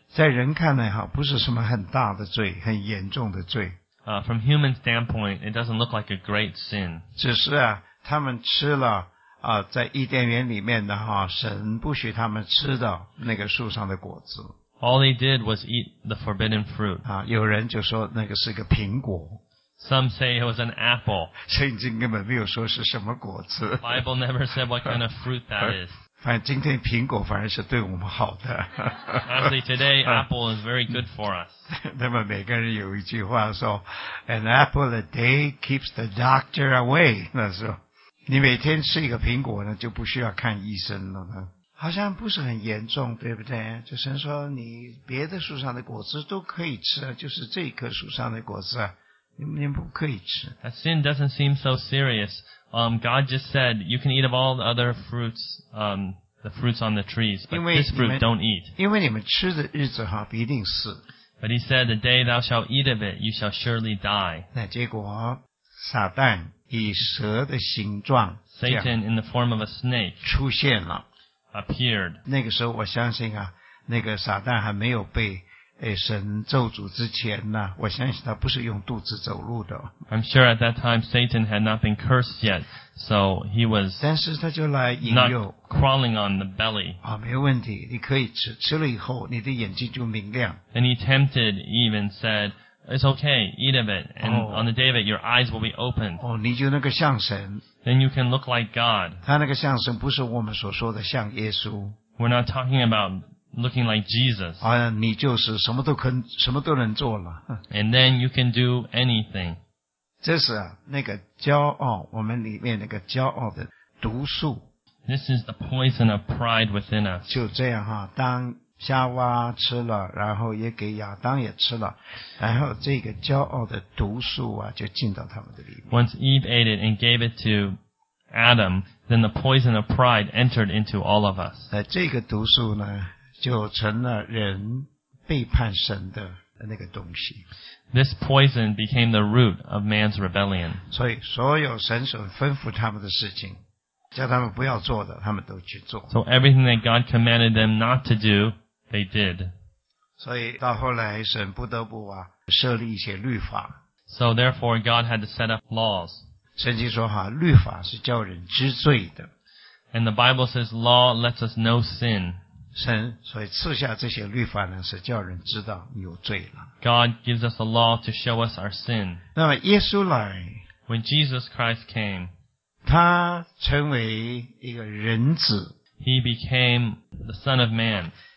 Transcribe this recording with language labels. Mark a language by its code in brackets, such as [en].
[zh] 在人看来不是什么很大的罪很严重的罪 [en] From human standpoint, it doesn't look like a great sin [zh] 只是他们吃了在伊甸园里面的神不许他们吃的那个树上的果子 [en] All they did was eat the forbidden fruit [zh] 有人就说那个是个苹果 [en] Some say it was an apple. [zh] 圣经根本没有说是什么果子。 [en] The Bible never said what kind of fruit that is. [zh] 反正今天苹果反而是对我们好的。 [en] Actually, today, apple is very good for us. [zh] 那么每个人有一句话说 [en] ,an apple a day keeps the doctor away. [zh] 那时候你每天吃一个苹果呢就不需要看医生了呢。好像不是很严重对不对就神说你别的树上的果子都可以吃就是这一棵树上的果子啊。你不可以吃。 [en] A sin doesn't seem so serious. God just said, you can eat of all the other fruits, the fruits on the trees, but this fruit don't eat. [zh] 因为你们吃的日子哈必定死。 [en] But he said, the day thou shalt eat of it, you shall surely die. [zh] 那结果撒旦以蛇的形状 [en] Satan in the form of a snake [zh] 出现了 [en] appeared. [zh] 那个时候我相信那个撒旦还没有被神咒诅之前呢，我相信他不是用肚子走路的。 [en] I'm sure at that time Satan had not been cursed yet, so he was. [zh] 但是他就来引诱 [en] crawling on the belly. [zh] 没问题，你可以吃，吃了以后你的眼睛就明亮。 [en] And he tempted Eve and said, "It's okay, eat of it, and on the day of it, your eyes will be opened." [zh] 你就那个像神。 [en] Then you can look like God. [zh] 他那个像神不是我们所说的像耶稣。 [en] We're not talking about. Looking like Jesus. [zh] 你就是什么都能做了。 [en] And then you can do anything. [zh] 这是那个骄傲，我们里面那个骄傲的毒素。 [en] This is the poison of pride within us. [zh] 就这样哈，当夏娃吃了，然后也给亚当也吃了，然后这个骄傲的毒素就进到他们的里面。 [en] Once Eve ate it and gave it to Adam, then the poison of pride entered into all of us. [zh] 这个毒素呢就成了人背叛神的那个东西。 [en] This poison became the root of man's rebellion. [zh] 所以所有神所吩咐他们的事情，叫他们不要做的，他们都去做。 [en] So everything that God commanded them not to do, they did. [zh] 所以到后来神不得不设立一些律法。 [en] So therefore God had to set up laws. [zh] 圣经说律法是叫人知罪的。 [en] And the Bible says law lets us know sin. [zh] 神所以赐下这些律法呢是叫人知道有罪了。 [en] God gives us a law to show us our sin. [zh] 那么耶稣来 [en] When Jesus Christ came, [zh] 他成为一个人子。 [en] He became the Son of Man.